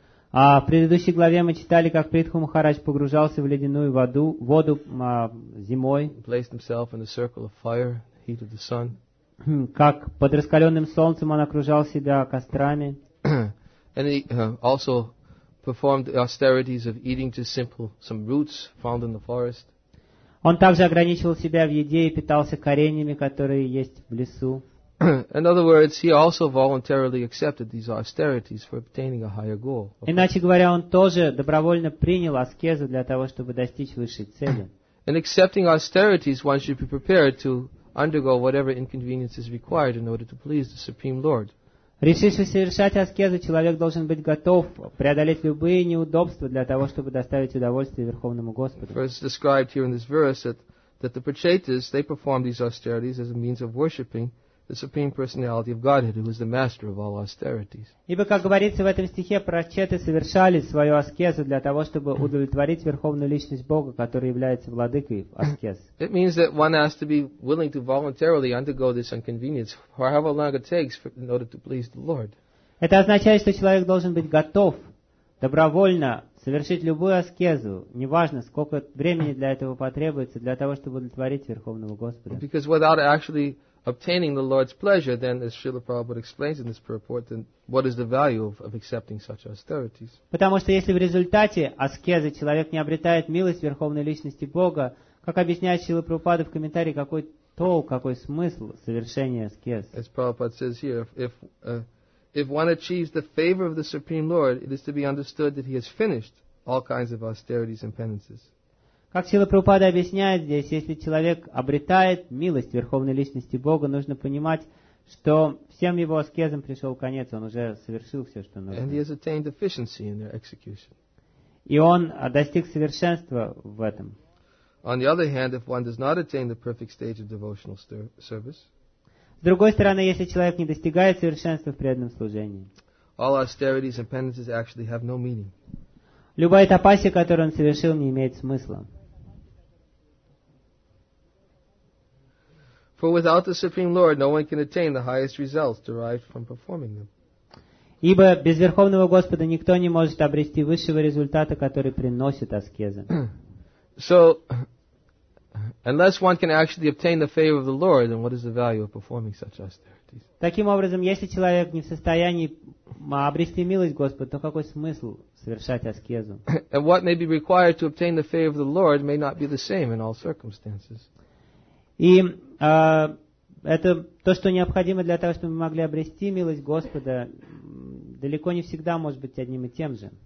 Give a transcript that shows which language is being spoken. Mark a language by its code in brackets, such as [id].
[ru] А в предыдущей главе мы читали, как Притху Махарадж погружался в ледяную воду зимой. [en] Placed himself in a circle of fire, heat of the sun. [ru] Как под раскаленным солнцем он окружал себя кострами. [en] And he also performed the austerities of eating just simple some roots found in the forest. [ru] Он также ограничивал себя в еде и питался кореньями, которые есть в лесу. [en] In other words, he also voluntarily accepted these austerities for obtaining a higher goal. [ru] Иначе говоря, он тоже добровольно принял аскезу для того, чтобы достичь высшей цели. [en] In accepting austerities, one should be prepared to undergo whatever inconvenience is required in order to please the Supreme Lord. [ru] Решившись совершать аскезу, человек должен быть готов преодолеть любые неудобства для того, чтобы доставить удовольствие Верховному Господу. [en] For it's described here in this verse that the Prachetas, they perform these austerities as a means of worshipping the Supreme Personality of Godhead, who is the master of all austerities. [ru] Ибо, как говорится в этом стихе, прачеты совершали свою аскезу для того, чтобы удовлетворить Верховную Личность Бога, который является владыкой аскез. [en] It means that one has to be willing to voluntarily undergo this inconvenience, however long it takes, in order to please the Lord. [ru] Это означает, что человек должен быть готов добровольно совершить любую аскезу, неважно, сколько времени для этого потребуется, для того, чтобы удовлетворить Верховного Господа. [en] Because without actually obtaining the Lord's pleasure, then, as Srila Prabhupada explains in this purport, then what is the value of accepting such austerities? [ru] Потому что если в результате аскезы человек не обретает милость Верховной Личности Бога, как объясняет Шрила Прабхупада в комментарии, какой толк, какой смысл совершения аскез? [en] As Prabhupada says here, if one achieves the favor of the Supreme Lord, it is to be understood that he has finished all kinds of austerities and penances. [ru] Как Шрила Прабхупада объясняет здесь, если человек обретает милость Верховной Личности Бога, нужно понимать, что всем его аскезам пришел конец, он уже совершил все, что нужно. [en] And he has attained efficiency in their execution. [ru] И он достиг совершенства в этом. [en] On the other hand, if one does not attain the perfect stage of devotional service, [ru] с другой стороны, если человек не достигает совершенства в преданном служении, [en] all austerities and penances actually have no meaning. [ru] Любая тапасия, которую он совершил, не имеет смысла. [en] For without the Supreme Lord, no one can attain the highest results derived from performing them. [ru] Ибо без Верховного Господа никто не может обрести высшего результата, который приносит аскеза. [en] So, unless one can actually obtain the favor of the Lord, then what is the value of performing such austerities? [ru] Таким образом, если человек не в состоянии обрести милость Господа, то какой смысл совершать аскезу? [en] And what may be required to obtain the favor of the Lord may not be the same in all circumstances. [ru] И это то, что необходимо для того, чтобы мы могли обрести милость Господа, далеко не всегда может быть одним и тем же.